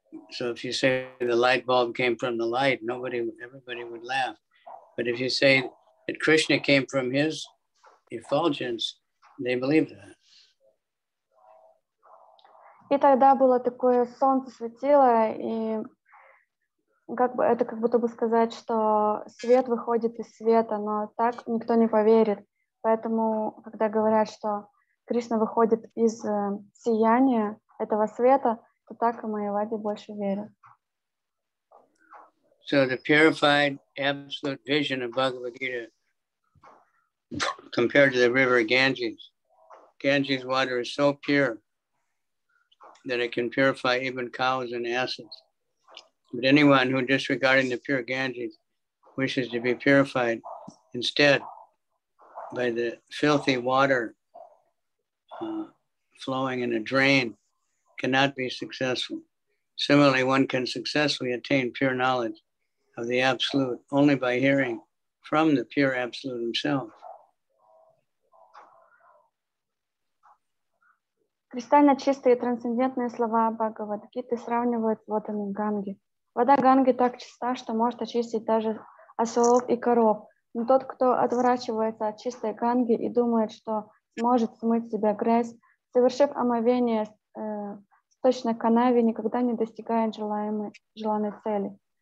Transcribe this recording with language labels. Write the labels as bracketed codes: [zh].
[en] So if you say the light bulb came from the light, everybody would laugh. But if you say that Krishna came from his effulgence, they believe that. [ru] И тогда было такое, солнце светило, и как бы, это как будто бы сказать, что свет выходит из света, но так никто не поверит. Поэтому, когда говорят, что Кришна выходит из сияния этого света, то так и Майявади больше верят. [en] So the purified absolute vision of Bhagavad Gita compared to the river Ganges. Ganges water is so pure that it can purify even cows and asses. But anyone who, disregarding the pure Ganges, wishes to be purified instead by the filthy water flowing in a drain, cannot be successful. Similarly, one can successfully attain pure knowledge of the Absolute only by hearing from the pure Absolute himself. [ru] Кристально чистые и трансцендентные слова Бхагавад-гиты сравнивают с водами Ганги. Вода Ганги так чиста, что может очистить даже ослов и коров. Но тот, кто отворачивается от чистой Ганги и думает, что сможет смыть с себя грязь, совершив омовение в сточной канаве, никогда не достигает желанной цели.